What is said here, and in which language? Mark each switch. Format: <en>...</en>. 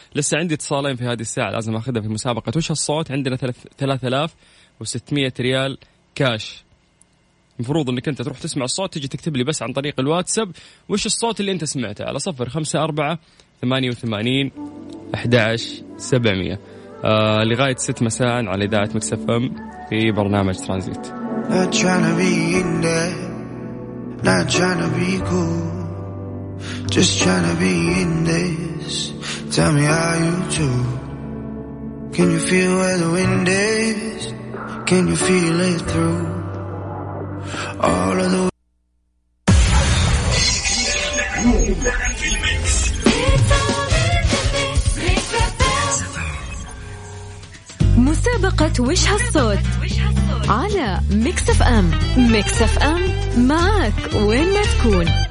<ar>لسه عندي اتصالين في هذه الساعه لازم اخذها في مسابقه وش الصوت. عندنا 3600 ريال كاش، مفروض انك انت تروح تسمع الصوت، تجي تكتب لي بس عن طريق الواتساب وش الصوت اللي انت سمعته على 0548811700. لغايه 6 مساء على اذاعه مكس اف ام في برنامج ترانزيت.</ar> <en>Not trying to be in there, not trying to be cool, just trying to be in this. Tell me how you do. Can you feel where the wind is? Can you feel it through all of the</en> <ar>مسابقة وش هالصوت على ميكس اف ام. ميكس اف ام معك وين ما تكون.</ar>